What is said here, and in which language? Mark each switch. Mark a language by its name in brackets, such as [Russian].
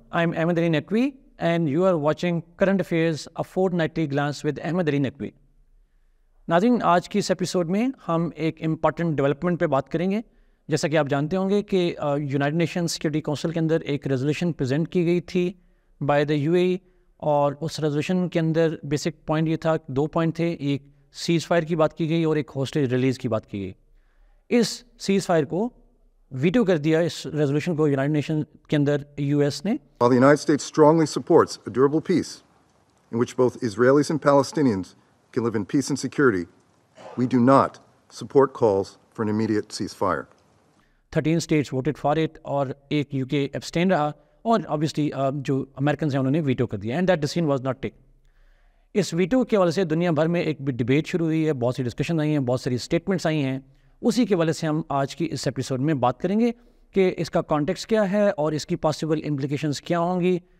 [English] I'm Ahmad Ali Naqvi, and you are watching Current Affairs, a Fortnightly Glance with Ahmad Ali Naqvi. [Hindi] नाज़रीन, आज की इस episode में हम एक इम्पॉर्टेंट डेवलपमेंट पे बात करेंगे. जैसा कि आप जानते होंगे कि यूनाइटेड नेशन सिक्योरिटी काउंसिल के अंदर एक रेजोल्यूशन प्रेजेंट की गई थी बाय द यूएई, और उस रेजोल्यूशन के अंदर बेसिक पॉइंट ये था, दो पॉइंट थे, एक सीज़ फायर की बात की गई और एक होस्टेज रिलीज की बात की गई. इस सीज़ फायर को वीटो कर दिया, इस रेजोल्यूशन को यूनाइटेड नेशन के अंदर यूएस ने. [English] While the United States strongly supports a durable peace in which both Israelis and Palestinians can live in peace and security, we do not support calls for an immediate ceasefire. 13 states voted for it, [Hindi] और एक UK abstain रहा, और obviously जो American हैं उन्होंने veto कर दिया, [English] And that decision was not taken. [Hindi] इस वीटो के वजह से दुनिया भर में एक डिबेट शुरू हुई है, बहुत सी डिस्कशन आई हैं, बहुत सारी स्टेटमेंट्स आई हैं. उसी के वजह से हम आज की इस एपिसोड में बात करेंगे कि इसका कॉन्टेक्स्ट क्या है और इसकी पॉसिबल इम्प्लिकेशंस क्या होंगी.